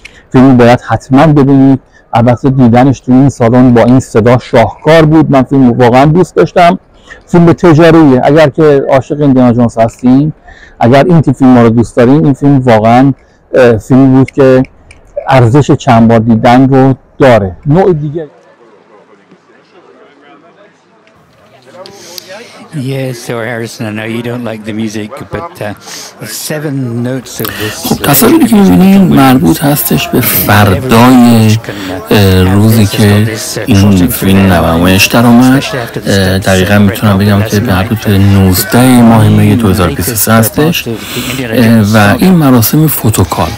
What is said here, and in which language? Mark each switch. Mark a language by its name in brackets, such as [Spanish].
[Persian] فیلم باید حتما ببینید. البته دیدنش تو این سالن با این صدا شاهکار بود. من فیلم واقعا دوست داشتم. فیلم تجاریه. اگر که عاشق ایندیانا جونز هستین، اگر این تیپ فیلم ها رو دوست دارین، این فیلم واقعا فیلم بود که ارزش چند بار دیدن رو داره. نوع دیگه. [English] Yes, yeah, so Harrison, I know you don't like the music, but seven notes of this. [Persian] خب تصاویری که می‌بینیم مربوط هستش به فردای روزی که این فیلم نمایش درآمد. دقیقا میتونم بگم که به مربوط به 19 ماه می 2023 هستش و این مراسم فوتوکال.